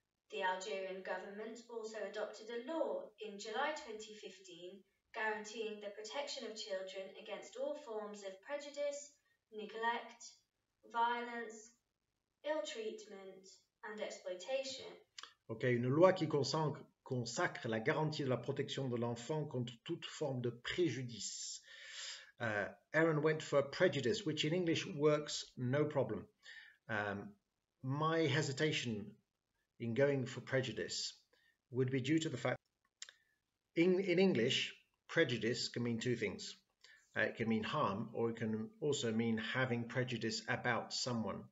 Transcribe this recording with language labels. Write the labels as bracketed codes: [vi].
[en] The Algerian government also adopted a law in July 2015 guaranteeing the protection of children against all forms of prejudice, neglect, violence, ill treatment and exploitation. [fr] OK, une loi qui consacre la garantie de la protection de l'enfant contre toute forme de préjudice. [en] Aaron went for prejudice, which in English works no problem. My hesitation in going for prejudice would be due to the fact in English, prejudice can mean two things. It can mean harm, or it can also mean having prejudice about someone.